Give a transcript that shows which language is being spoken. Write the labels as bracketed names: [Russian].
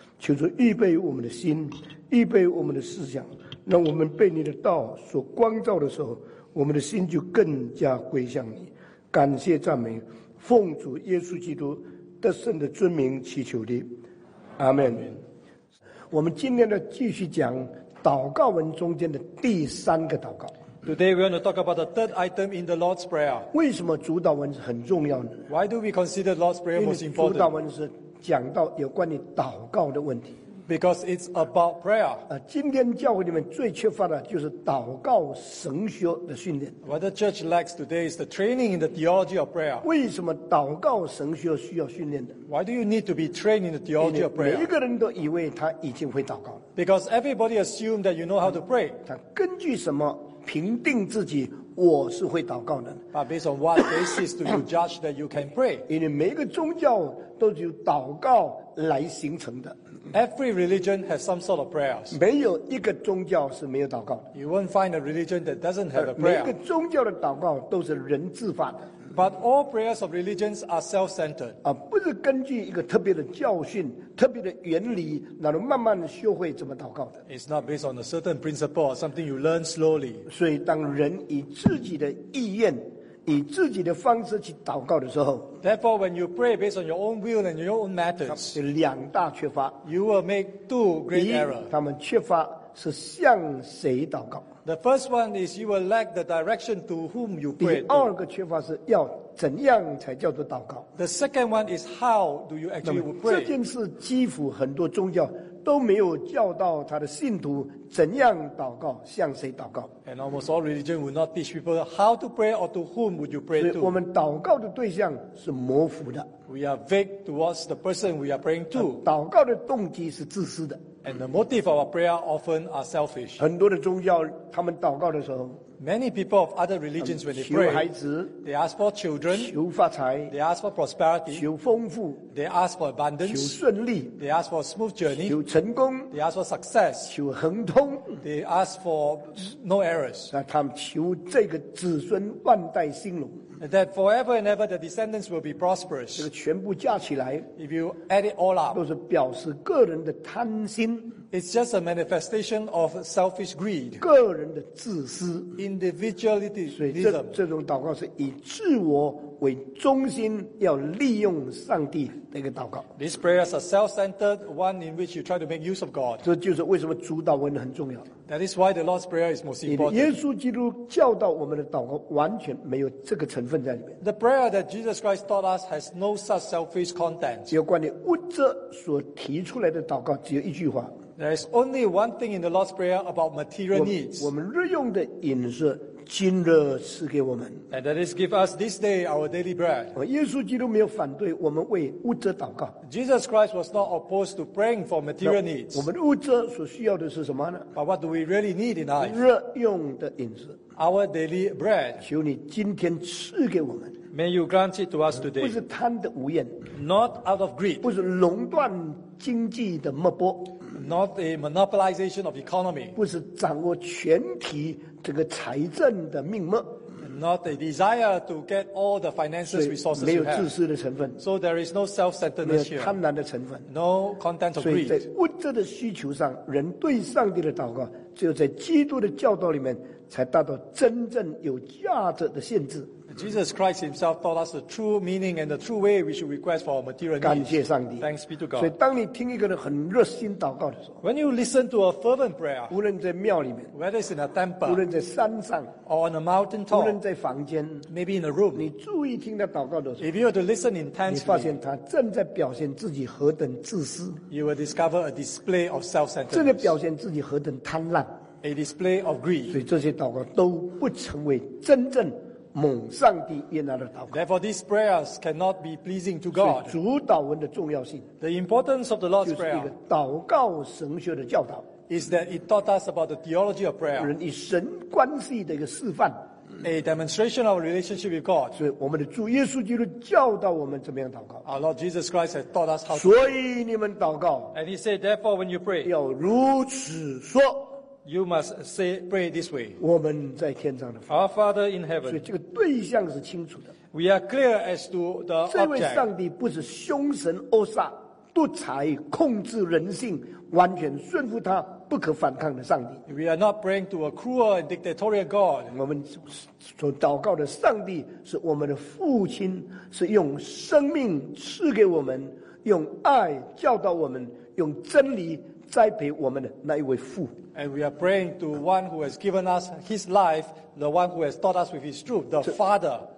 [Chinese] 求主预备我们的心，预备我们的思想，让我们被你的道所光照的时候，我们的心就更加归向你。感谢赞美，奉主耶稣基督得胜的尊名祈求的，阿们。我们今天呢，继续讲祷告文中间的第三个祷告。 [English] Today we want to talk about the third item in the Lord's Prayer. [Chinese] 为什么主祷文很重要呢？ [English] Why do we consider Lord's Prayer most important? [Chinese] 因为主祷文是讲到有关于祷告的问题。 [English] Because it's about prayer. [Chinese] 今天教会里面最缺乏的就是祷告神学的训练。 [English] What the church lacks today is the training in the theology of prayer. [Chinese] 为什么祷告神学需要训练的？ [English] Why do you need to be trained in the theology of prayer? [Chinese] 每一个人都以为他已经会祷告。 [English] Because everybody assumes that you know how to pray. [Chinese] 他根据什么评定自己我是会祷告的？ [English] But based on what basis do you judge that you can pray? [Chinese] 因为每一个宗教都是由祷告来形成的。 [English] Every religion has some sort of prayers. [Chinese] 没有一个宗教是没有祷告的。 [English] You won't find a religion that doesn't have a prayer. [Chinese] 每一个宗教的祷告都是人自发的。 [English] But all prayers of religions are self-centered. [Chinese] 不是根据一个特别的教训、特别的原理，然后慢慢的学会怎么祷告的。 [English] It's not based on a certain principle or something you learn slowly. [Chinese] 所以当人以自己的意愿以自己的方式去祷告的时候， [English] Therefore, when you pray based on your own will and your own methods, [Chinese] 有两大缺乏。 [English] You will make two great errors. [Chinese] 他们缺乏是向谁祷告。 [English] The first one is you will lack the direction to whom you pray. [Chinese] 第二个缺乏是要怎样才叫做祷告。 [English] The second one is how do you actually pray. [Chinese] 这件事几乎很多宗教都没有教到他的信徒怎样祷告，向谁祷告。 [English] And almost all religion will not teach people how to pray or to whom would you pray to. [Chinese] 所以我们祷告的对象是模糊的。 [English] We are vague towards the person we are praying to. [Chinese] 祷告的动机是自私的。 [English] And the motive of our prayer often are selfish. [Chinese] 很多的宗教他们祷告的时候， [English] Many people of other religions when they pray, [Chinese] 求孩子， [English] they ask for children, [Chinese] 求发财， [English] they ask for prosperity, [Chinese] 求丰富， [English] they ask for abundance, [Chinese] 求顺利， [English] they ask for a smooth journey, [Chinese] 求成功， [English] they ask for success, [Chinese] 求亨通， [English] they ask for no errors. [Chinese] 那他们求这个子孙万代兴隆。 [English] That forever and ever the descendants will be prosperous. [Chinese] 这个全部加起来， [English] if you add it all up, [Chinese] 都是表示个人的贪心。 [English] It's just a manifestation of selfish greed. [Chinese] 个人的自私。 [English] Individuality. [Chinese] 所以这种祷告是以自我为中心，要利用上帝的一个祷告。 [English] These prayers are self-centered, one in which you try to make use of God. [Chinese] 这就是为什么主祷文很重要。 [English] That is why the Lord's Prayer is most important. [Chinese] 耶稣基督教导我们的祷告完全没有这个成分在里面。 [English] The prayer that Jesus Christ taught us has no such selfish content. [Chinese] 有关于物质所提出来的祷告只有一句话。 [English] There is only one thing in the Lord's Prayer about material needs. [Chinese] 我们日用的饮食今日赐给我们。 [English] And that is give us this day our daily bread. [Chinese] 耶稣基督没有反对我们为物质祷告。 [English] Jesus Christ was not opposed to praying for material needs. [Chinese] 我们物质所需要的是什么呢？ [English] But what do we really need in life? [Chinese] 日用的饮食。 [English] Our daily bread. [Chinese] 求你今天赐给我们。 [English] May you grant it to us today. [Chinese] 不是贪得无厌。 [English] Not out of greed. [Chinese] 不是垄断经济的脉搏。 [English] Not a monopolization of economy. [Chinese] 不是掌握全体这个财政的命脉。 [English] Not a desire to get all the financial resources you have. [Chinese] 没有自私的成分。 [English] So there is no self-centeredness here. [Chinese] 没有贪婪的成分。 [English] No content of greed. [Chinese] 所以在物质的需求上，人对上帝的祷告，只有在基督的教导里面，才达到真正有价值的限制。 [English] Jesus Christ himself taught us the true meaning and the true way we should request for our material needs. [Chinese] 感谢上帝。 [English] Thanks be to God. [Chinese] 所以当你听一个人很热心祷告的时候， [English] When you listen to a fervent prayer, [Chinese] 无论在庙里面， [English] whether it's in a temple, [Chinese] 无论在山上， [English] or on a mountain top, [Chinese] 无论在房间， [English] maybe in a room, [Chinese] 你注意听他祷告的时候， [English] if you are to listen intensely, [Chinese] 你发现他正在表现自己何等自私， [English] you will discover a display of self-centeredness. [Chinese] 正在表现自己何等贪婪， [English] a display of greed. [Chinese] 所以这些祷告都不成为真正蒙上帝悦纳的祷告。 [English] Therefore, these prayers cannot be pleasing to God. [Chinese] 主祷文的重要性 [English] ，the importance of the Lord's prayer， [Chinese] 就是一个祷告神学的教导。 [English] Is that it taught us about the theology of prayer? [Chinese] 人与神关系的一个示范。 [English] A demonstration of a relationship with God. [Chinese] 所以我们的主耶稣基督教导我们怎么样祷告。 [English] Our Lord Jesus Christ has taught us how. [Chinese] 所以你们祷告。 [English] And He said, therefore, when you pray, [Chinese] 要如此说。 [English] You must say pray this way. [Chinese] 我们在天上的父。 [English] Our Father in heaven. [Chinese] 所以这个对象是清楚的。 [English] We are clear as to the object. [Chinese] 这位上帝不是凶神恶煞、独裁、控制人性、完全顺服他。不可反抗的上帝。 [English] We are not praying to a cruel and dictatorial God. [Chinese] 我们所祷告的上帝是我们的父亲，是用生命赐给我们，用爱教导我们，用真理栽培我们的那一位父。 [English] And we are praying to one who has given us his life, the one who has taught us with his truth, the Father.